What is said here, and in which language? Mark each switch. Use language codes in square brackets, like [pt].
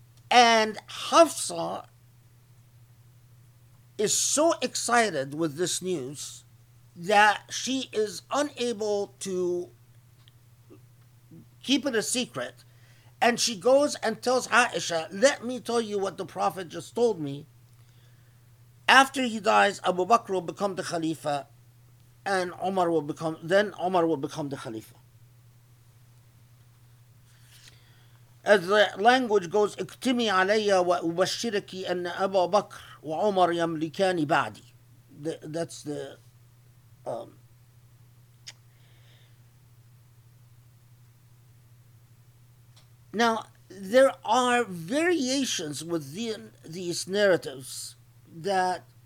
[en] And Hafsa is so excited with this news that she is unable to keep it a secret. And she goes and tells Aisha, let me tell you what the Prophet just told me. After he dies, Abu Bakr will become the Khalifa, and Umar will become the Khalifa. As the language goes, [ar] اكتمي علي وأبشرك أن أبا بكر وعمر يملكان بعدي. [en] That's the Now there are variations within these narratives that